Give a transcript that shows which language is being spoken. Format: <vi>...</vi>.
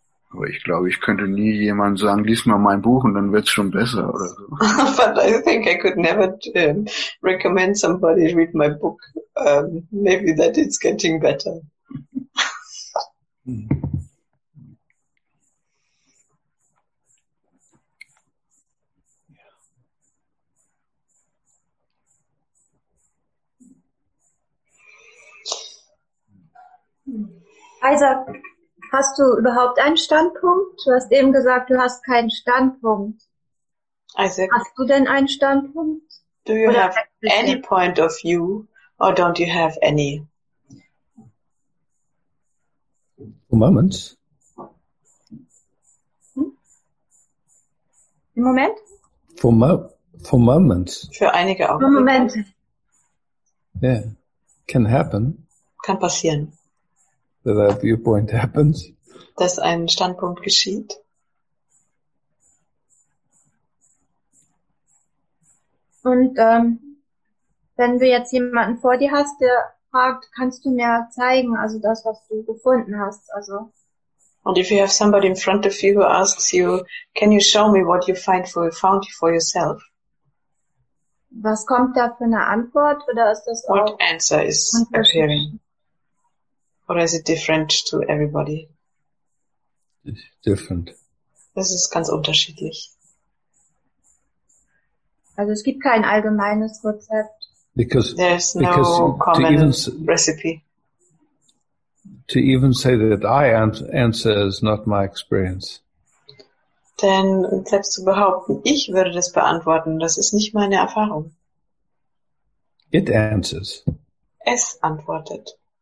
<de>Aber ich glaube, ich könnte nie jemand sagen, lies mal mein Buch und dann wird's schon besser oder so.</de> <en>But I think I could never recommend somebody read my book. Maybe that it's getting better.</en> <de>Isaac. Hast du überhaupt einen Standpunkt? Du hast eben gesagt, du hast keinen Standpunkt. Isaac, hast du denn einen Standpunkt?</de> <en>Do you have any point of view or don't you have any?</en> <de>Moment. Im Moment?</de> <en>For moments.</en> <de>Für einige Augenblicke. Für Momente.</de> <en>Yeah, can happen.</en> <de>Kann passieren.</de> <en>That a viewpoint happens.</en> <de>Dass ein Standpunkt geschieht. Und wenn du jetzt jemanden vor dir hast, der fragt, kannst du mir zeigen, also das, was du gefunden hast, also.</de> <en>And if you have somebody in front of you who asks you, can you show me what you found for yourself?</en> <de>Was kommt da für eine Antwort oder ist das</de> <en>what What answer is appearing? Or is it different to everybody? It's different.</en> <de>Das ist ganz unterschiedlich. Also es gibt kein allgemeines Rezept.</de> <en>Because there's no common recipe. To even say that I answer is not my experience.</en> <de>Denn selbst zu behaupten, ich würde das beantworten, das ist nicht meine Erfahrung.</de> <en>It answers.</en> <de>Es antwortet.</de>